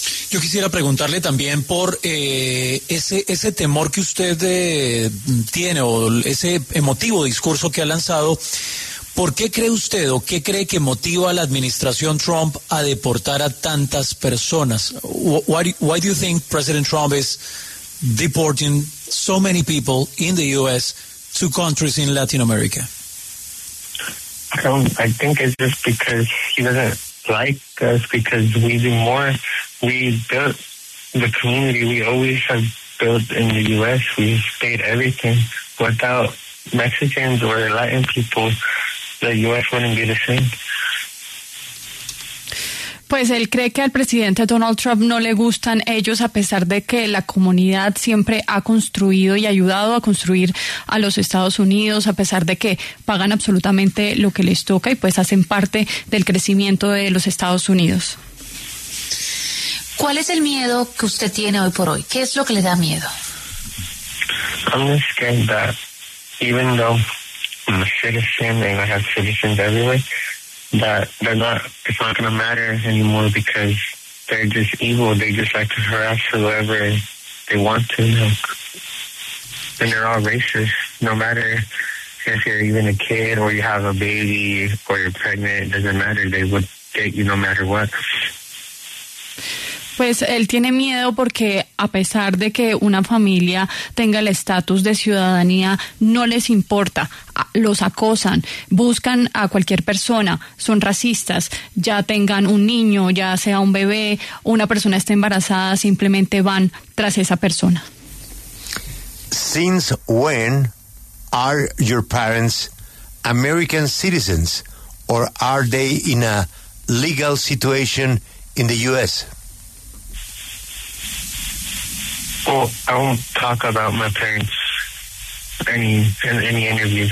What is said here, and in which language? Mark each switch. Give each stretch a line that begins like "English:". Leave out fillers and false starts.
Spanish: Yo quisiera preguntarle también por ese temor que usted tiene, o ese emotivo discurso que ha lanzado. ¿Por qué cree usted, o qué cree que motiva a la administración Trump a deportar a tantas personas?
English: Why do you think President Trump is deporting so many people in the U.S. to countries in Latin America? I think it's just because he doesn't like us, because we do more. We built the community. We always have built in the U.S. We paid everything. Without Mexicans or Latin people, the U.S. wouldn't be the same.
Spanish: Pues él cree que al presidente Donald Trump no le gustan ellos, a pesar de que la comunidad siempre ha construido y ayudado a construir a los Estados Unidos, a pesar de que pagan absolutamente lo que les toca y pues hacen parte del crecimiento de los Estados Unidos. ¿Cuál es el miedo que usted tiene hoy por hoy? ¿Qué es lo que le da miedo?
English: I'm scared that even though I'm a citizen and I have citizens everywhere, that they're not, it's not going to matter anymore because they're just evil. They just like to harass whoever they want to. And they're all racist. No matter if you're even a kid or you have a baby or you're pregnant, it doesn't matter. They would get you no matter what.
Spanish: Pues él tiene miedo porque a pesar de que una familia tenga el estatus de ciudadanía, no les importa, los acosan, buscan a cualquier persona, son racistas, ya tengan un niño, ya sea un bebé, una persona esté embarazada, simplemente van tras esa persona.
English: Since when are your parents American citizens or are they in a legal situation in the U.S.? Well, I won't talk about my parents in any interviews.